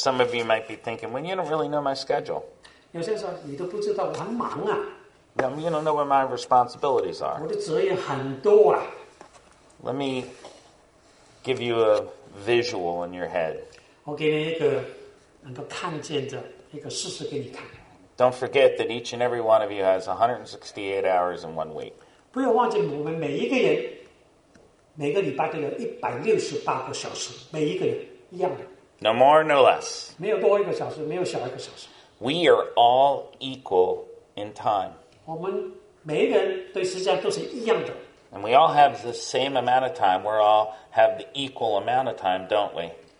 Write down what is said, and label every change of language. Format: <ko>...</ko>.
<en>some of you might be thinking, well, you don't really know my schedule.</en> <zh>有些人说,</zh> <en>you don't know what my responsibilities are. Let me give you a visual in your head.</en> <zh>我给你一个能够看见的一个事实给你看。</zh> <en>Don't forget that each and every one of you has 168 hours in 1 week.</en> <zh>不要忘记我们每一个人, 每个礼拜都有168个小时, 每一个人一样的。</zh> <en>No more, no less.</en> <zh>没有多一个小时, 没有少一个小时。</zh> <en>We are all equal in time. And we all have the same amount of time. We all have the equal amount of time, don't we?</en>